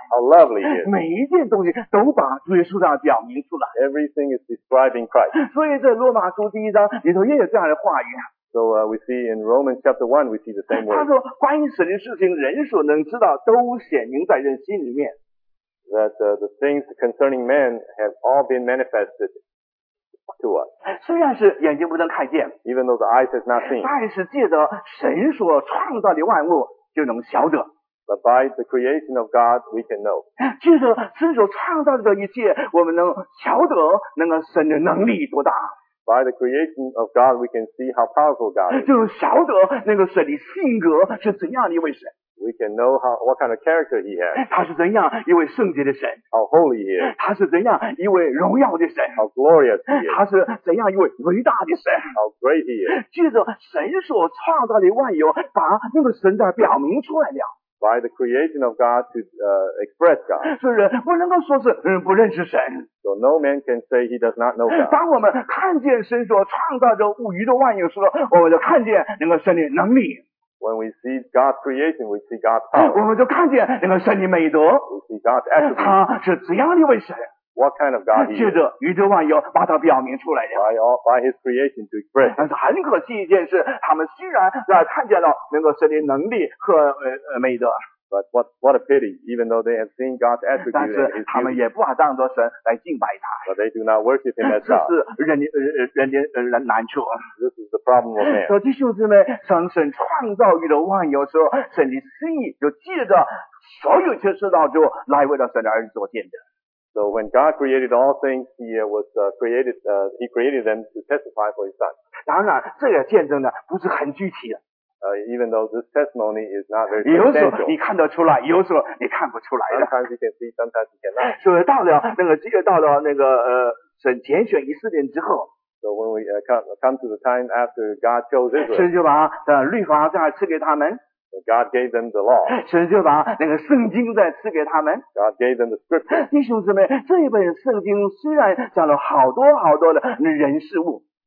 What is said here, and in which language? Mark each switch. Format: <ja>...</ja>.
<en>How lovely he is.</en> <zh>每一件东西都把主耶稣这样表明出来。</zh> <en>Everything is describing Christ.</en> <zh>所以在罗马书第一章里头也有这样的话语。</zh> <en>So we see in Romans chapter 1, we see the same word.</en> <zh>他说关于神的事情人所能知道都显明在人心里面。</zh> <en>That the things concerning man have all been manifested to us.</en> <zh>虽然是眼睛不能看见，</zh> <en>Even though the eyes has not seen,</en> <zh>但是借着神所创造的万物就能晓得。</zh> <en>But by the creation of God, we can know.</en> <zh>借着神所创造的一切，我们能晓得那个神的能力多大。</zh> <en>By the creation of God, we can see how powerful God is.</en> <zh>就晓得那个神的性格是怎样的一位神。</zh> <en>We can know what kind of character he has.</en> <zh>他是怎样一位圣洁的神。</zh> <en>How holy he is.</en> <zh>他是怎样一位荣耀的神。</zh> <en>How glorious he is.</en> <zh>他是怎样一位伟大的神。</zh> <en>How great he is.</en> <zh>借着神所创造的万有把那个神在表明出来了。</zh> <en>By the creation of God to express God.</en> <zh>所以人不能够说是不认识神。</zh> <en>So no man can say he does not know God.</en> <zh>当我们看见神所创造的无余的万有时候我们就看见那个神的能力。</zh> <en>When we see God's creation, we see God's power.</en> <zh>我们就看见那个神的美德。</zh> <en>We see God's attributes.</en> <zh>他是怎样的一位神。</zh> <en>What kind of God he is?</en> <zh>接着宇宙万有把它表明出来的。</zh> <en>By his creation to express.</en> <zh>但是很可惜一件事，他们虽然看见了能够神的能力和美德。</zh> <en>But what a pity, even though they have seen God's attributes.</en> <zh>但是他们也不把当作神来敬拜他。</zh> <en>But they do not worship him as God.</en> <zh>这是人的难处。</zh> <en>This is the problem of man.</en> <zh>弟兄姊妹，当神创造宇宙万有的时候，神的心意就借着所有一切受造之物来为了神的儿子做见证。</zh> <en>So when God created all things, He created them to testify for His Son.</en> <zh>当然，这个见证呢不是很具体的。</zh> <en>Even though this testimony is not very</en> <zh>substantial. 有时候你看得出来，有时候你看不出来的。</zh> <en>Sometimes you can see, sometimes you cannot.</en> <zh>所以到了神拣选以色列之后。</zh> <en>So when we come to the time after God chose Israel.</en> <zh>神就把律法再赐给他们。</zh> <en>God gave them the law.</en> <zh>神就把那个圣经再赐给他们。</zh> <en>God gave them the scripture.</en> <zh>弟兄姊妹，这一本圣经虽然讲了好多好多的人事物。</zh>